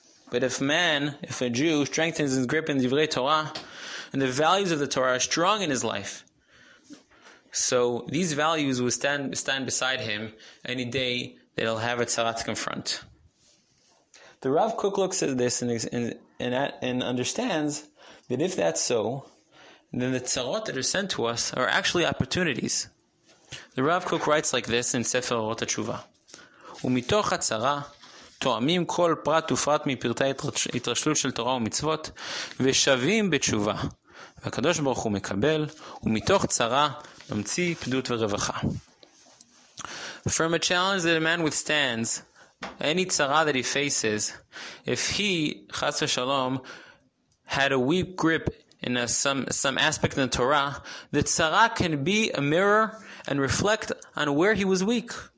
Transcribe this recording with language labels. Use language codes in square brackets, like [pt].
[en] But if a Jew strengthens his grip in Divrei Torah, and the values of the Torah are strong in his life, so these values will stand beside him any day that he'll have a tzara to confront. The Rav Kook looks at this and understands that if that's so, then the tzarot that are sent to us are actually opportunities. The Rav Kook writes like this in Sefer Orot HaTshuva. [he] ומתוך הצרה תואמים כל פרט ופרט מפרטי התרשלות של תורה ומצוות ושווים בתשובה. והקדוש ברוך הוא מקבל ומתוך צרה ממציא פדות ורווחה. [en] From a challenge that a man withstands, any tzara that he faces, if he, chas v'shalom, had a weak grip in some aspect in the Torah, the tzara can be a mirror and reflect on where he was weak.